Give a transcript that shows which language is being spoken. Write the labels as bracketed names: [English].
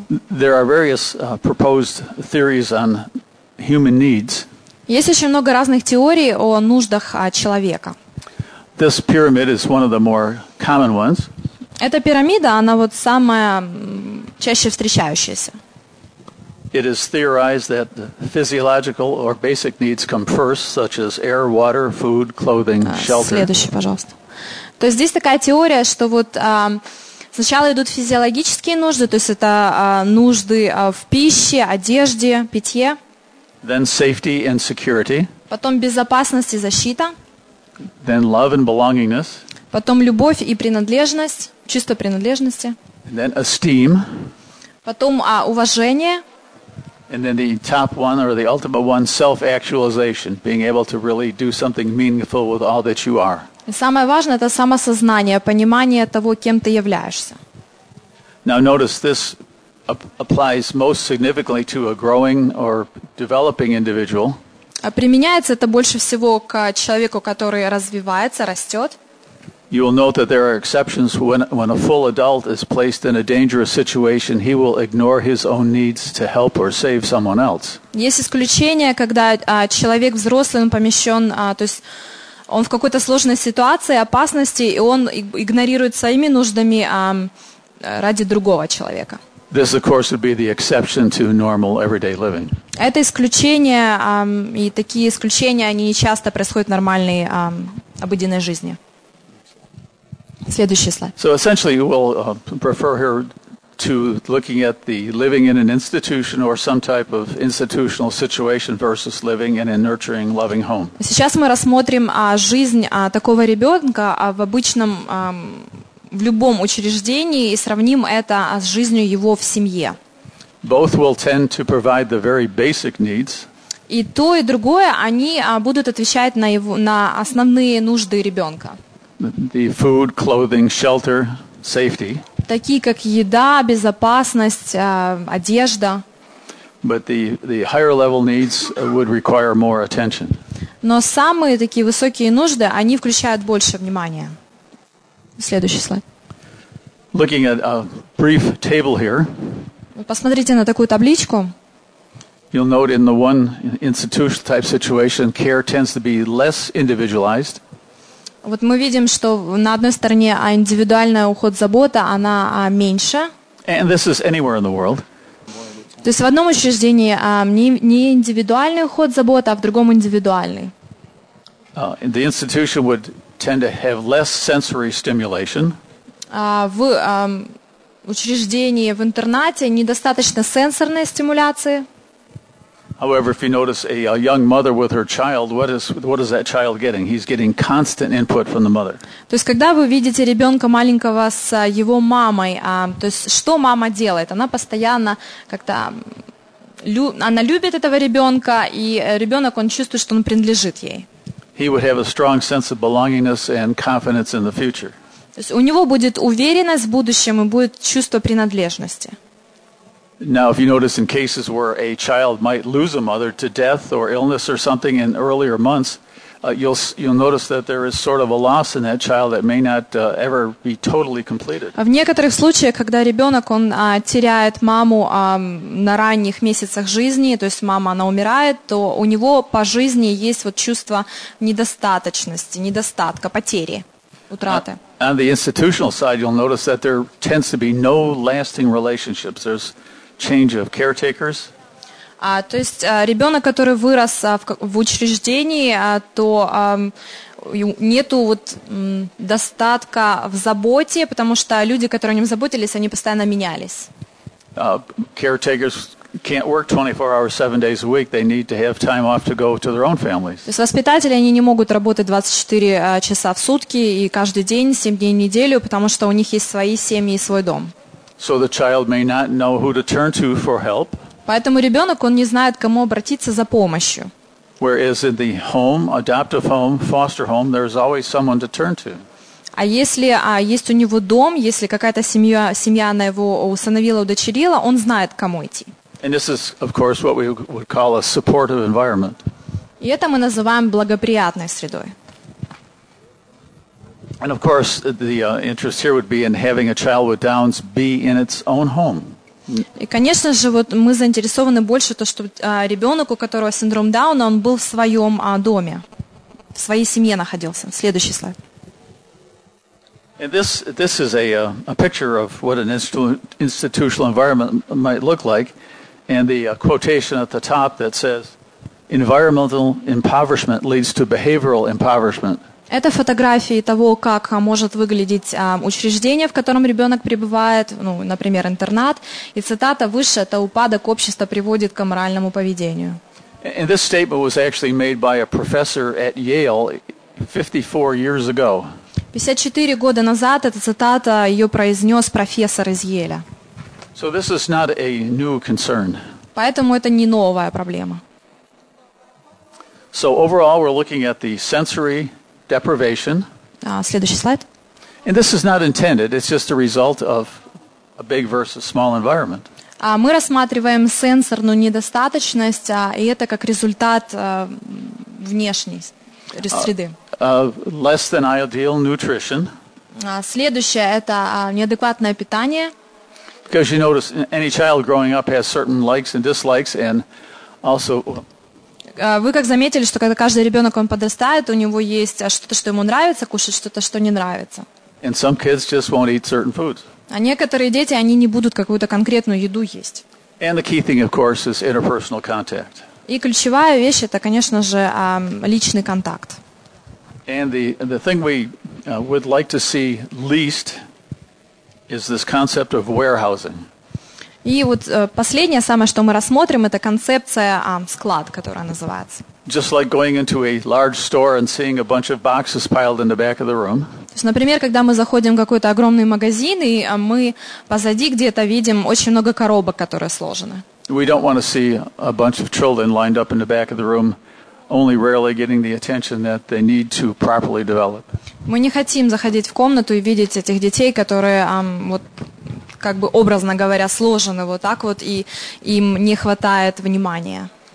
[English] There are various proposed theories on human needs. [Russian] Есть очень много разных теорий о нуждах человека. [English] This pyramid is one of the more common ones. [Russian] Эта пирамида, она вот самая чаще встречающаяся. [English] It is theorized that physiological or basic needs come first, such as air, water, food, clothing, shelter. [Russian] Следующий, пожалуйста. То есть здесь такая теория, что вот сначала идут физиологические нужды, то есть это нужды в пище, одежде, питье. [English] Then safety and security. [Russian] Потом безопасность и защита. [English] Then love and belongingness. [Russian] Потом любовь и принадлежность. Чувство принадлежности. [English] And then esteem. [Russian] Потом уважение. [English] And then the top one or the ultimate one, self-actualization, being able to really do something meaningful with all that you are. [Russian] И самое важное — это самосознание, понимание того, кем ты являешься. [English] Now notice this applies most significantly to a growing or developing individual. [Russian] Применяется это больше всего к человеку, который развивается, растет. [English] You will note that there are exceptions. When a full adult is placed in a dangerous situation, he will ignore his own needs to help or save someone else. [Russian] Есть исключения, когда человек взрослый, он помещен, то есть он в какой-то сложной ситуации, опасности, и он игнорирует своими нуждами ради другого человека. [English] This, of course, would be the exception to normal everyday living. [Russian] Это исключение, и такие исключения, они часто происходят в нормальной обыденной жизни. Следующий слайд. [English] So essentially, we'll refer here to looking at the living in an institution or some type of institutional situation versus living in a nurturing, loving home. [Russian] Сейчас мы рассмотрим жизнь такого ребенка в обычном, в любом учреждении и сравним это с жизнью его в семье. [English] Both will tend to provide the very basic needs. [Russian] И то, и другое, они будут отвечать на его, на основные нужды ребенка. [English] The food, clothing, shelter, safety. [Russian] Такие как еда, безопасность, одежда. [English] But the higher level needs would require more attention. [Russian] Но самые такие высокие нужды, они включают больше внимания. Следующий слайд. [English] Looking at a brief table here. [Russian] Посмотрите на такую табличку. [English] You'll note in the one institution type situation, care tends to be less individualized. [Russian] Вот мы видим, что на одной стороне индивидуальный уход, забота, она меньше. [English] And this is anywhere in the world. [Russian] То есть в одном учреждении не индивидуальный уход, забота, а в другом индивидуальный. [English] The institution would tend to have less sensory stimulation. [Russian] В учреждении, в интернате недостаточно сенсорной стимуляции. [English] However, if you notice a young mother with her child, what is that child getting? He's getting constant input from the mother. [Russian] То есть когда вы видите ребенка маленького с его мамой, то есть что мама делает? Она постоянно как-то она любит этого ребенка, и ребенок он чувствует, что он принадлежит ей. [English] He would have a strong sense of belongingness and confidence in the future. [Russian] То есть у него будет уверенность в будущем и будет чувство принадлежности. [English] Now, if you notice in cases where a child might lose a mother to death or illness or something in earlier months, you'll notice that there is sort of a loss in that child that may not ever be totally completed. [Russian] В некоторых случаях, когда ребенок, он теряет маму на ранних месяцах жизни, то есть мама, она умирает, то у него по жизни есть вот чувство недостаточности, недостатка, потери, утраты. [English] On the institutional side, you'll notice that there tends to be no lasting relationships. There's change of caretakers. [Russian] То есть ребенок, который вырос в учреждении, то нету вот достатка в заботе, потому что люди, которые о нем заботились, они постоянно менялись. [English] Caretakers can't work 24 hours, 7 days a week. They need to have time off to go to their own families. [Russian] То есть воспитатели, они не могут работать 24 часа в сутки и каждый день, 7 дней в неделю, потому что у них есть свои семьи и свой дом. [English] So the child may not know who to turn to for help. [Russian] Поэтому ребенок, он не знает, к кому обратиться за помощью. [English] Whereas in the home, adoptive home, foster home, there's always someone to turn to. [Russian] А если есть у него дом, если какая-то семья на его усыновила, удочерила, он знает, к кому идти. [English] And this is, of course, what we would call a supportive environment. [Russian] И это мы называем благоприятной средой. [English] And of course, the interest here would be in having a child with Downs be in its own home. [Russian] И, конечно же, вот мы заинтересованы больше то, чтобы ребенок, у которого синдром Дауна, он был в своем доме, в своей семье находился. Следующий слайд. [English] And this is a picture of what an institutional environment might look like, and the quotation at the top that says, "Environmental impoverishment leads to behavioral impoverishment." [Russian] Это фотографии того, как может выглядеть учреждение, в котором ребенок пребывает, ну, например, интернат. И цитата выше – это упадок общества приводит к аморальному поведению. [English] And this statement was actually made by a professor at Yale 54 years ago. [Russian] 54 года назад эта цитата ее произнес профессор из Йеля. [English] So this is not a new concern. [Russian] Поэтому это не новая проблема. [English] So overall we're looking at the sensory deprivation. [Russian] Следующий слайд. [English] And this is not intended. It's just a result of a big versus small environment. [Russian] Мы рассматриваем сенсорную недостаточность, и это как результат внешней среды. [English] less than ideal nutrition. [Russian] Следующее – это неадекватное питание. [English] Because you notice any child growing up has certain likes and dislikes, and also… [Russian] Вы как заметили, что когда каждый ребенок, он подрастает, у него есть что-то, что ему нравится кушать, что-то, что не нравится. [English] And some kids just won't eat certain foods. [Russian] А некоторые дети, они не будут какую-то конкретную еду есть. [English] And the key thing, of course, is interpersonal contact. [Russian] И ключевая вещь – это, конечно же, личный контакт. [English] And the thing we would like to see least is this concept of warehousing. [Russian] И вот последнее самое, что мы рассмотрим, это концепция склад, которая называется. [English] Just like going into a large store and seeing a bunch of boxes piled in the back of the room. [Russian] То есть, например, когда мы заходим в какой-то огромный магазин, и мы позади где-то видим очень много коробок, которые сложены. [English] We don't want to see a bunch of children lined up in the back of the room, only rarely getting the attention that they need to properly develop. [Russian] Мы не хотим заходить в комнату и видеть этих детей, которые вот как бы образно говоря сложены вот так вот, и им не хватает внимания.